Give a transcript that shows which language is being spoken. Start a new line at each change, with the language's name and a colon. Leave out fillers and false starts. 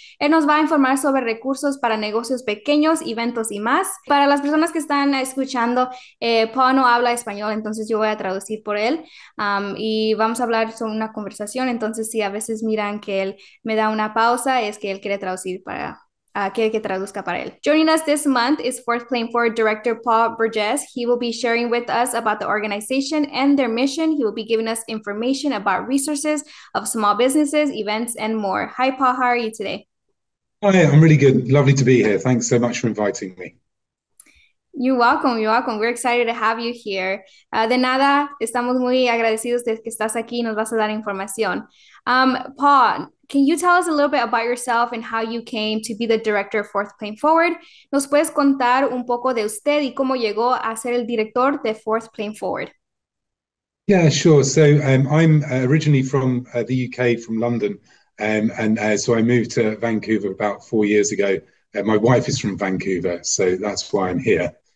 Spanish: Él nos va a informar sobre recursos para negocios pequeños, eventos y más. Para las personas que están escuchando, Paul no habla español, entonces yo voy a traducir por él y vamos a hablar sobre una conversación. Entonces, si a veces miran que él me da una pausa, es que él quiere traducir para. Quiere que traduzca para él.
English: Joining us this month is Fourth Plane Forward Director Paul Burgess. He will be sharing with us about the organization and their mission. He will be giving us information about resources of small businesses, events, and more. Hi, Paul, how are you today? Hi, I'm really good. Lovely to be here. Thanks so much for inviting me. You're welcome, you're welcome. We're excited to have you here.
Spanish: De nada, estamos muy agradecidos de que estás aquí y nos vas a dar información.
English: Paul, can you tell us a little bit about yourself and how you came to be the director of Fourth Plane Forward?
Spanish: ¿Nos puedes contar un poco de usted y cómo llegó a ser el director de Fourth Plane Forward?
English: Yeah, sure. So I'm originally from the UK, from London. So I moved to Vancouver about 4 years ago. My wife is from Vancouver, so that's why I'm here.